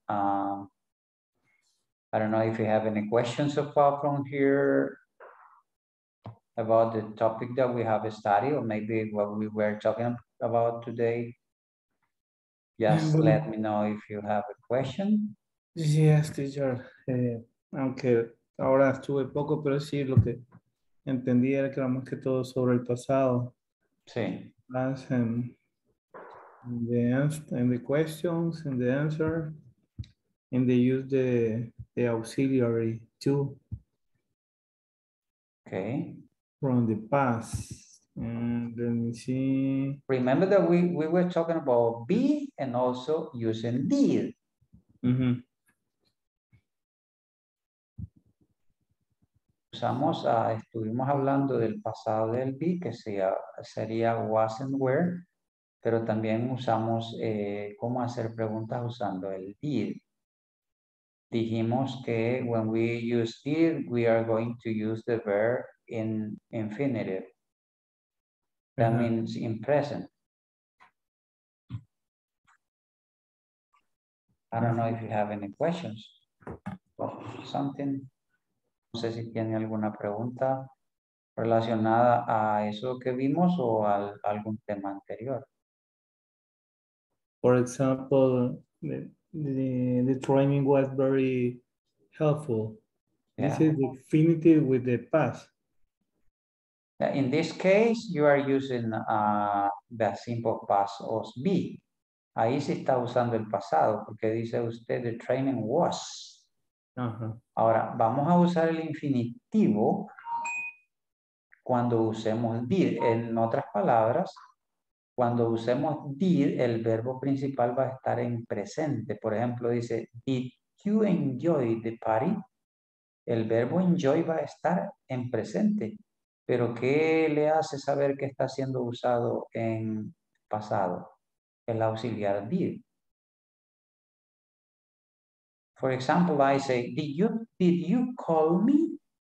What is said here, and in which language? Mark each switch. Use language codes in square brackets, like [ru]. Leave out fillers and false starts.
[en] I don't know if you have any questions so far from here about the topic that we have studied, or maybe what we were talking about today. Just let me know if you have a question. Yes, teacher. [es] Aunque ahora estuve poco, pero sí, lo que entendí era que era más que todo sobre el pasado. Sí. [en] Plus, and the questions and the answer, and they use the auxiliary too. Okay. From the past. And let me see. Remember that we were talking about be and also using did. Mm-hmm. [es] Usamos, estuvimos hablando del pasado del be, que sería [en] was and were, [es] pero también usamos cómo hacer preguntas usando el did. Dijimos que [en] when we use did, we are going to use the verb in infinitive. That uh-huh. means in present. I don't know if you have any questions or something. [es] No sé si tiene alguna pregunta relacionada a eso que vimos o a algún tema anterior. [en] For example, the training was very helpful. Yeah. This is the infinitive with the past. In this case, you are using the simple past of be. [es] Ahí se está usando el pasado porque dice usted [en] the training was. Uh-huh. [es] Ahora, vamos a usar el infinitivo cuando usemos did. En otras palabras, cuando usemos did, el verbo principal va a estar en presente. Por ejemplo, dice, [en] did you enjoy the party? [es] El verbo enjoy va a estar en presente. Pero, ¿qué le hace saber que está siendo usado en pasado? El auxiliar did. [en] For example, I say, did you call me?